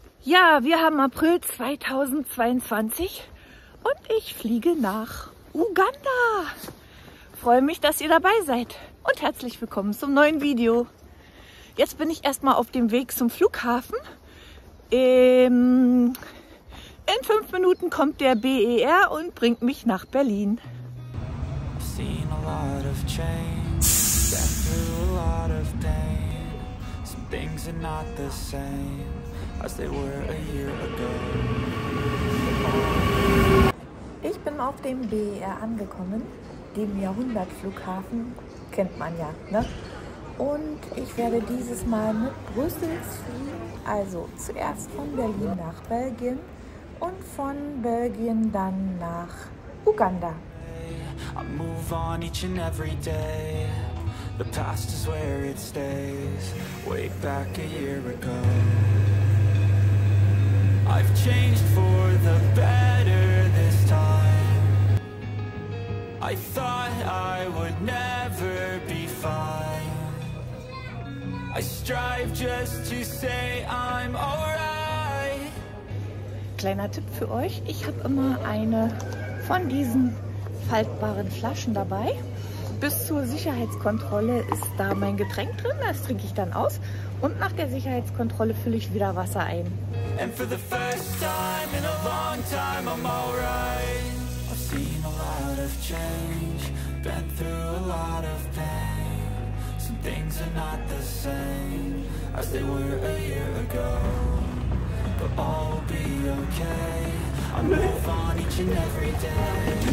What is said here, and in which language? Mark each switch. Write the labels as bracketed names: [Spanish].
[German] Ja, wir haben April 2022 und ich fliege nach Uganda. Freue mich, dass ihr dabei seid und herzlich willkommen zum neuen Video. Jetzt bin ich erstmal auf dem Weg zum Flughafen. In 5 Minuten kommt der BER und bringt mich nach Berlin. [English] I've seen a lot of change, been through a lot of pain. Some things are not the same as they were a year ago. [German] Ich bin auf dem BER angekommen, dem Jahrhundertflughafen, kennt man ja, ne? Und ich werde dieses Mal mit Brüssel fliegen, also zuerst von Berlin nach Belgien und von Belgien dann nach Uganda. [English] I move on each and every day. The past is where it stays. Way back a year ago. I've changed for the better this time. I thought I would never be fine. I strive just to say I'm alright. [German] Kleiner Tipp für euch, ich habe immer eine von diesen faltbaren Flaschen dabei. Bis zur Sicherheitskontrolle ist da mein Getränk drin, das trinke ich dann aus. Und nach der Sicherheitskontrolle fülle ich wieder Wasser ein. [English] And for the first time in a long time I'm alright. I've seen a lot of change, been through a lot of pain. Some things are not the same as they were a year ago. But all will be okay. I move on each and every day.